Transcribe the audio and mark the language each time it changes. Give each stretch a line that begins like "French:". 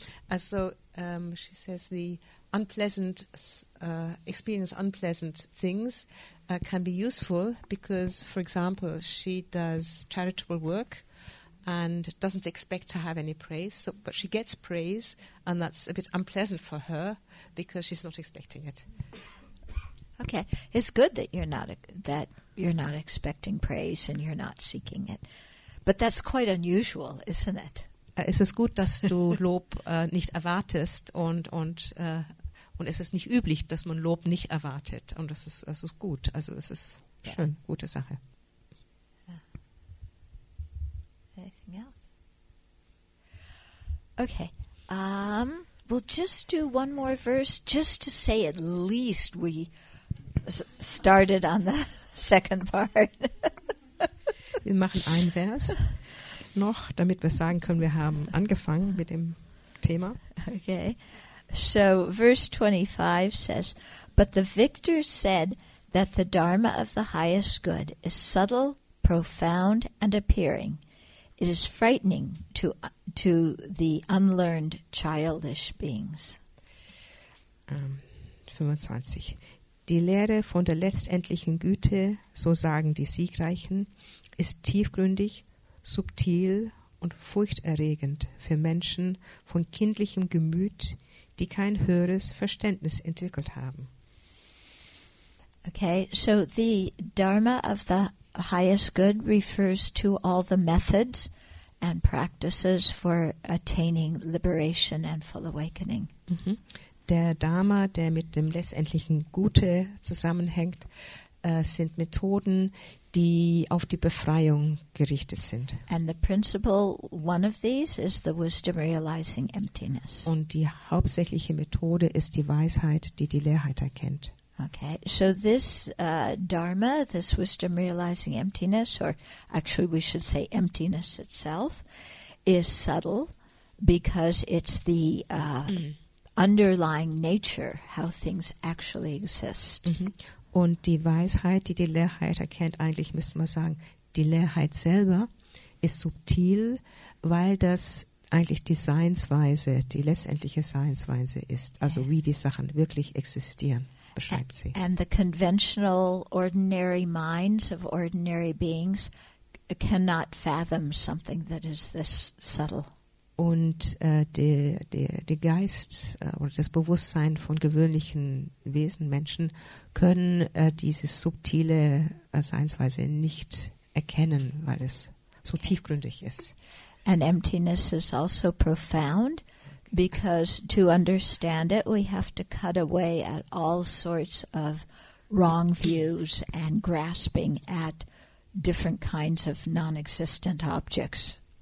English: Also, she says the unpleasant experience, unpleasant things can be useful because, for example, she does charitable work and doesn't expect to have any praise, so, but she gets praise and that's a bit unpleasant for her because she's not expecting it. Okay, it's good that you're not that You're not expecting praise and you're not seeking it. But that's quite unusual, isn't it?
German: Es ist gut, dass du Lob nicht erwartest und es ist nicht üblich, dass man Lob nicht erwartet. Und das ist gut. Also es ist schön, gute Sache.
English: Anything else? Okay. We'll just do one more verse just to say at least we started on the second part.
German: Wir machen einen Vers noch, damit wir sagen können, wir haben angefangen mit dem Thema.
English: Okay. So verse 25 says, but the victor said that the Dharma of the highest good is subtle, profound, and appearing. It is frightening to the unlearned childish beings. 25.
German: Die Lehre von der letztendlichen Güte, so sagen die Siegreichen, ist tiefgründig, subtil und furchterregend für Menschen von kindlichem Gemüt, die kein höheres Verständnis entwickelt haben.
English: Okay, so the Dharma of the highest good refers to all the methods and practices for attaining liberation and full awakening. Mm-hmm.
German: Der Dharma, der mit dem letztendlichen Gute zusammenhängt, sind Methoden, die auf die Befreiung gerichtet sind.
English: And the principal one of these is the wisdom realizing emptiness.
German: Und die hauptsächliche Methode ist die Weisheit, die die Leerheit erkennt.
English: Okay, so this Dharma, this wisdom realizing emptiness, or actually we should say emptiness itself, is subtle because it's the underlying nature, how things actually exist. Mm-hmm.
German: Und die Weisheit, die die Leerheit erkennt, eigentlich müsste man sagen, die Leerheit selber ist subtil, weil das eigentlich die Seinsweise, die letztendliche Seinsweise ist, also wie die Sachen wirklich existieren.
English: And the conventional, ordinary minds of ordinary beings cannot fathom something that is this subtle.
German: Und der Geist oder das Bewusstsein von gewöhnlichen Wesen, Menschen, können diese subtile Seinsweise nicht erkennen, weil es so tiefgründig ist.
English: And emptiness is also profound. Because to understand it, we have to cut away at all sorts of wrong views and grasping at different kinds of non-existent objects.